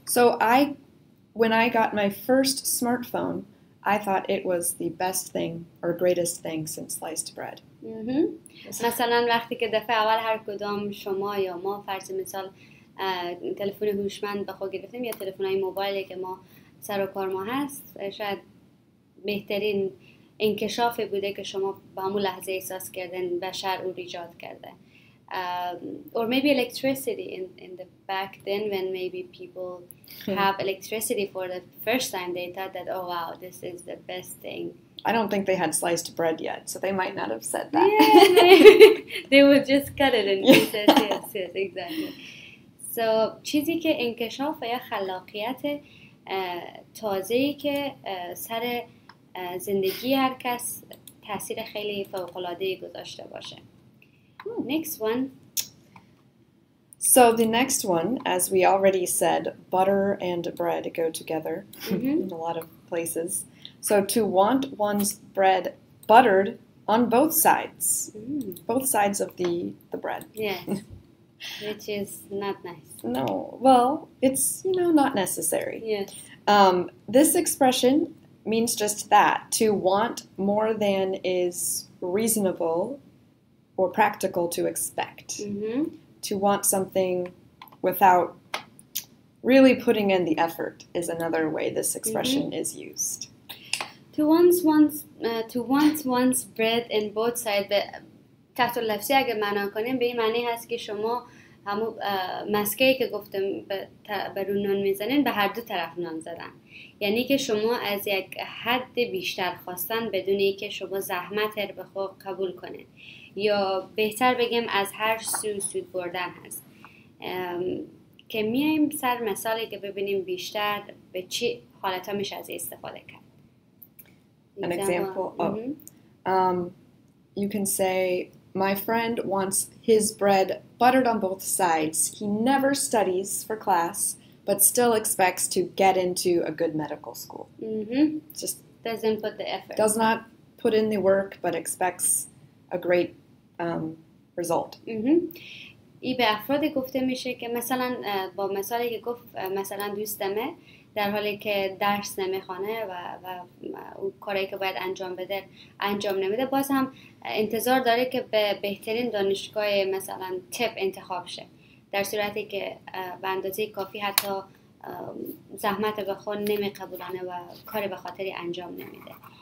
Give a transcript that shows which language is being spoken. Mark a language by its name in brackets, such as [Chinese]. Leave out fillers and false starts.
[English] So when I got my first smartphone, I thought it was the best thing or greatest thing since sliced bread. [Persian] مثلا وقتی که دفعه اول هر کدام شما یا ما فرض مثال تلفن هوشمند به خود گرفتیم یا تلفن‌های موبایلی که ما سر و کار ما هست، شاید بهترین انکشافی بوده که شما به همون لحظه احساس کردین بشر او ایجاد کرده. [English] Or maybe electricity in the back then when maybe people have electricity for the first time, they thought that, oh wow, this is the best thing. I don't think they had sliced bread yet, so they might not have said that. Yeah, they would just cut it in pieces. Yes, yes, exactly. [Persian] So, چیزی که انکشاف یا خلاقیت تازه‌ای که سر زندگی هر کس تأثیر خیلی فوق‌العاده‌ای گذاشته باشه. [English] Next one. So the next one, as we already said, butter and bread go together in a lot of places. So to want one's bread buttered on both sides, both sides of the bread. Yes, which is not nice. No, well, it's, you know, not necessary. Yes. This expression means just that, to want more than is reasonable or practical to expect, to want something without really putting in the effort is another way this expression is used. [Persian] To want one's bread in both sides, but تحت لفظی اگر معنا کنیم به این معنی هست که شما همو مسکه‌ای که گفتم به رو نان میزنین به هر دو طرف نان زدن، یعنی که شما از یک حد بیشتر خواستن بدون اینکه شما زحمت رو به خود قبول کنین، یا بهتر بگم از هر سو سود بردن هست. که میایم سر مثالی که ببینیم بیشتر به چه حالت ها میشه از استفاده کرد. [English] An example of, you can say, my friend wants his bread buttered on both sides. He never studies for class, but still expects to get into a good medical school. Just doesn't put the effort. Does not put in the work, but expects a great result. [Persian] ای به افرادی گفته میشه که مثلا با مثالی که گفت مثلا دوستمه در حالی که درس نمیخونه و او کاری که باید انجام بده انجام نمیده، باز هم انتظار داره که به بهترین دانشگاه مثلا تپ انتخاب شه، در صورتی که به اندازه کافی حتی زحمت به خود نمیقبولانه و کاری به خاطری انجام نمیده.